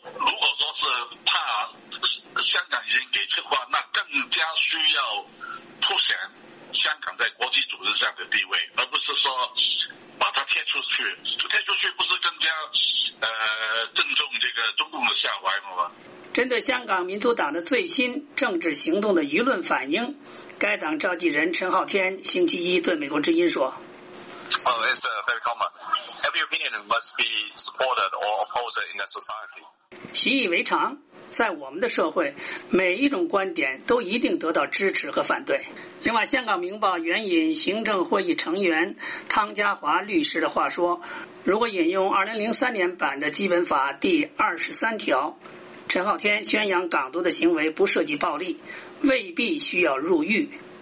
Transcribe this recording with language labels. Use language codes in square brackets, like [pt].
[zh] 如果说是怕香港已经给赤化，那更加需要凸显香港在国际组织上的地位，而不是说把它贴出去。贴出去不是更加正中这个中共的下怀吗？针对香港民族党的最新政治行动的舆论反应，该党召集人陈浩天星期一对美国之音说： [en] Well, it's very common. Every opinion must be supported or opposed in a society. [zh] 习以为常，在我们的社会，每一种观点都一定得到支持和反对。另外，香港明报援引行政会议成员汤家华律师的话说，如果引用2003年版的基本法第23条，陈浩天宣扬港独的行为不涉及暴力，未必需要入狱。